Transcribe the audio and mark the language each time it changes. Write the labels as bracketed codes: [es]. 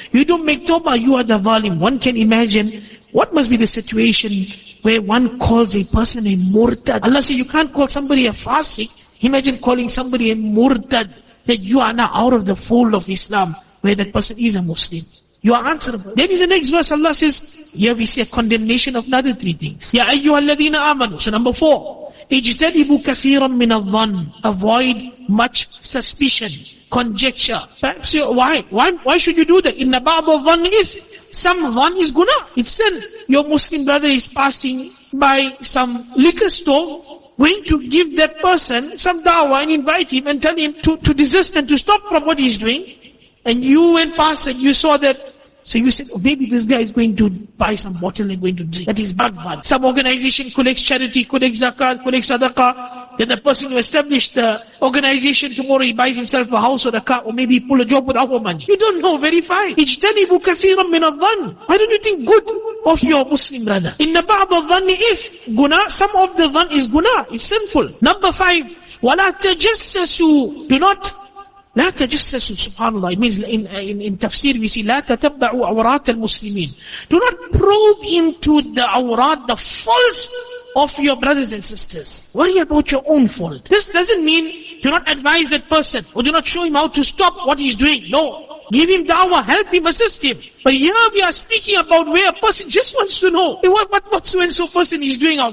[en] You don't make tawbah, you are the zalim. One can imagine what must be the situation where one calls a person a murtad. Allah says, you can't call somebody a fasik. Imagine calling somebody a murtad, that you are now out of the fold of Islam, where that person is a Muslim. You are answerable. Then in the next verse, Allah says, here we see a condemnation of another three things. [ar] يَا أَيُّهَا الَّذِينَ آمَنُوا. [en] So number four, [ar] اجتنبوا كثيرا من الظن. [en] Avoid much suspicion, conjecture. Perhaps you, why should you do that? [ar] إِنَّ بَعْضُ الظَّنِ [en] is, some dhan is guna, it's sin. Your Muslim brother is passing by some liquor store, going to give that person some dawah and invite him and tell him to desist and to stop from what he's doing. And you went past and you saw that. So you said, oh, maybe this guy is going to buy some bottle and going to drink. That is bagvan. Some organization collects charity, collects zakat, collects sadaqah. Then the person who established the organization, tomorrow he buys himself a house or a car, or maybe he pull a job with our money. You don't know, verify. [ar] اجتنبوا كثيرا من الظن. [en] Why don't you think good of your Muslim brother? [ar] إن بعض الظن [en] is guna. Some of the dhan is guna. It's sinful. Number five, [ar] ولا تجسسوا. [en] Do not. [ar] لا تجسسوا, subhanAllah. [en] It means in tafsir we see, [ar] لا تتبعوا عورات المسلمين. [en] Do not probe into the awrat, the faults of your brothers and sisters. Worry about your own fault. This doesn't mean do not advise that person, or do not show him how to stop what he's doing. No. Give him da'wah, help him, assist him. But here we are speaking about where a person just wants to know, hey, what so and so person is doing out.